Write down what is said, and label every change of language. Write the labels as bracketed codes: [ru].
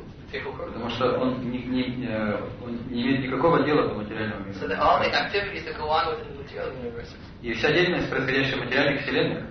[ru] Потому что он не имеет никакого дела до материального мира. [en] So that all the activities that go on within the material universe. [ru] И вся деятельность, происходящая в материальных вселенных,